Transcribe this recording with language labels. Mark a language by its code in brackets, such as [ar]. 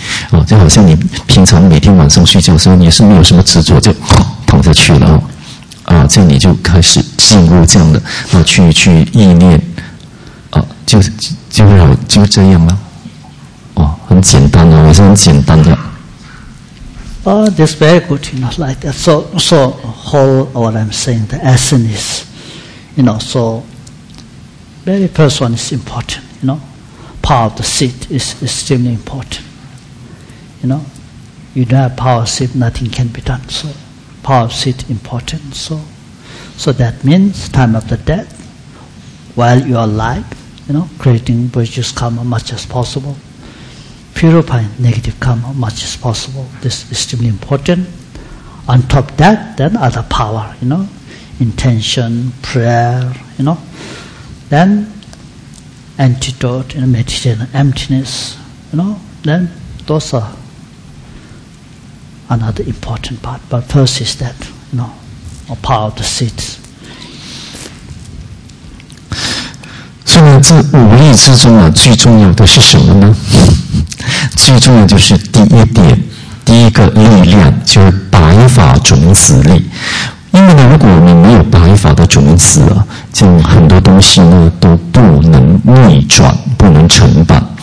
[zh] 啊，就好像你平常每天晚上睡觉的时候你是没有什么执着，就躺下去了啊，这样你就开始进入这样的去意念啊，就这样了，很简单的，也是很简单的。 [en] That's very good, you know, like that. So whole what I'm saying, the essence is, you know, so very first one is important, you know, power of the seat is extremely important. You know, you don't have power of seat, nothing can be done. So power of seat important. So that means time of the death, while you are alive, you know, creating virtuous karma much as possible. Purify negative karma much as possible. This is extremely important. On top of that, then other power, you know, intention, prayer, you know, then antidote, you know, meditation, emptiness, you know, then those are another important part. But first is that, you know, the power of the seeds. [zh] 所以这五力之中啊，最重要的是什么呢？最重要就是第一点，第一个力量就是白法种子力。因为呢，如果我们没有白法的种子啊，就很多东西呢都不能逆转，不能成败。